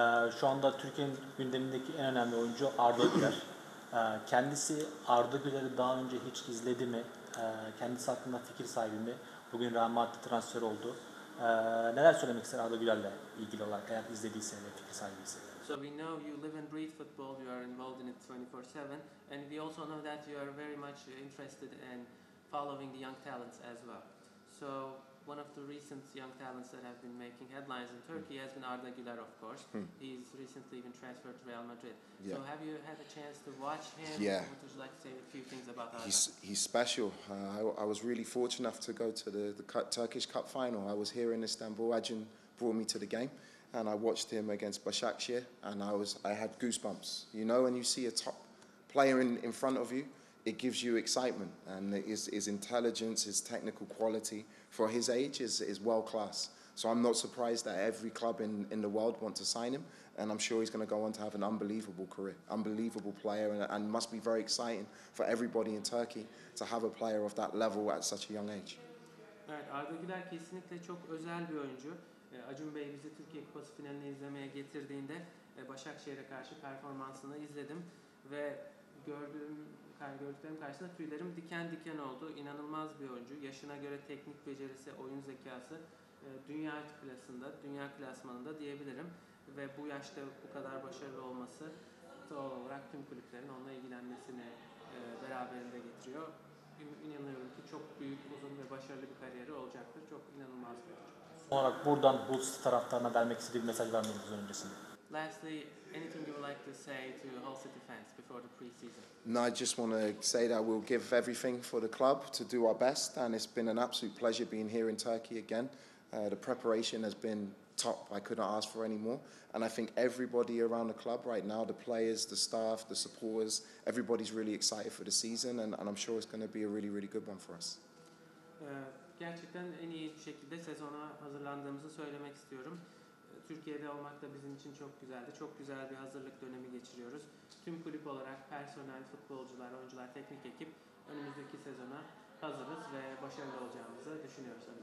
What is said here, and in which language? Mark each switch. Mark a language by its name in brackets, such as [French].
[Turkish] Şu anda Türkiye'nin gündemindeki en önemli oyuncu Arda Güler. Kendisi Arda Güler'i daha önce hiç izledi mi? Kendisi hakkında fikir sahibi mi? Bugün rahmetli transfer oldu. Neler söylemek ister Arda Güler'le ilgili olarak, eğer izlediyse ve fikir sahibiyse? [English] So we know you live and breathe football, you are involved in it 24/7, and we also know that you are very much interested in following the young talents as well. So one of the recent young talents that have been making headlines in Turkey has been Arda Güler, of course. Hmm. He's recently even transferred to Real Madrid. Yeah. So have you had a chance to watch him? Yeah. What would you like to say a few things about Arda? He's special. I was really fortunate enough to go to the Turkish Cup final. I was here in Istanbul. Acun brought me to the game, and I watched him against Başakşehir, and I had goosebumps. You know, when you see a top player in front of you, it gives you excitement, and his intelligence, his technical quality for his age is world class. So I'm not surprised that every club in the world want to sign him, and I'm sure he's going to go on to have an unbelievable career, unbelievable player, and must be very exciting for everybody in Turkey to have a player of that level at such a young age. [Turkish] Evet, Arda Güler kesinlikle çok özel bir oyuncu. Acun Bey bizi Türkiye Kupası finalini izlemeye getirdiğinde Başakşehir'e karşı performansını izledim ve gördüklerim karşısında tüylerim diken diken oldu. İnanılmaz bir oyuncu. Yaşına göre teknik becerisi, oyun zekası dünya klasında, dünya klasmanında diyebilirim. Ve bu yaşta bu kadar başarılı olması doğal olarak tüm kulüplerin onunla ilgilenmesini beraberinde getiriyor. İnanıyorum ki çok büyük, uzun ve başarılı bir kariyeri olacaktır. Çok inanılmaz bir oyuncu. Son olarak buradan bu taraftarına vermek istediği bir mesaj vermeniz öncesinde. [English] Lastly, anything you would like to say to Hull City fans before the preseason? No, I just want to say that we'll give everything for the club to do our best, and it's been an absolute pleasure being here in Turkey again. The preparation has been top. I couldn't ask for any more. And I think everybody around the club right now, the players, the staff, the supporters, everybody's really excited for the season, and I'm sure it's going to be a really, really good one for us. [Turkish] Gerçekten en iyi şekilde sezona hazırlandığımızı söylemek istiyorum. Türkiye'de olmak da bizim için çok güzeldi. Çok güzel bir hazırlık dönemi geçiriyoruz. Tüm kulüp olarak personel, futbolcular, oyuncular, teknik ekip önümüzdeki sezona hazırız ve başarılı olacağımızı düşünüyoruz.